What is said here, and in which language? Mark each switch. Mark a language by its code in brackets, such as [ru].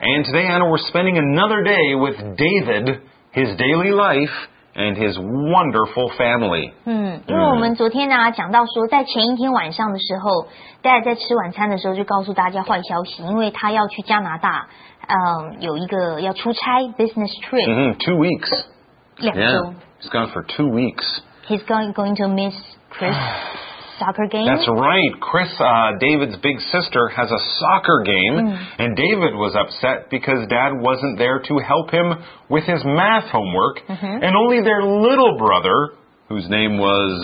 [en] And today, Anna, we're spending another day with David, his daily life,And his wonderful family. [zh] 嗯，因为我们昨天呢、啊、讲到说，在前一天晚上的时候，大家在吃晚餐的时候就告诉大家坏消息，因为他要去加拿大，有一个要出差 [en] business trip. 嗯、mm-hmm, ，two weeks. [zh] 两周。 [en] Yeah, he's gone for 2 weeks. He's going to miss Chris soccer game. That's right. Chris, David's big sister has a soccer game,、mm. and David was upset because Dad wasn't there to help him with his math homework,、mm-hmm. and only their little brother, whose name was